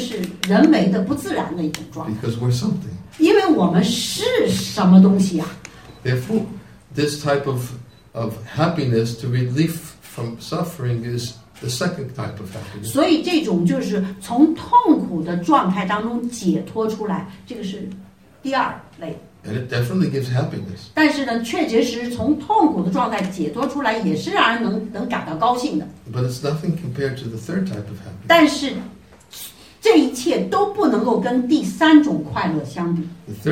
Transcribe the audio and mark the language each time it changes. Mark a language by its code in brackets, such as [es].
[zh] 所以硬要把自己就搞得就好像没有身份了，那个是人为的不自然的一种状态。 [en] Because we're something. [zh] 因为我们是什么东西啊？ [en] Therefore, this type of happiness to relief from suffering is the second type of happiness. [zh] 所以这种就是从痛苦的状态当中解脱出来，这个是第二类。 [en] And it definitely gives happiness. [zh] 但是呢，确确实实从痛苦的状态解脱出来，也是让人能感到高兴的。 [en] But it's nothing compared to the third type of happiness. [zh] 但是这一切都不能够跟第三种快乐相比。 [en] The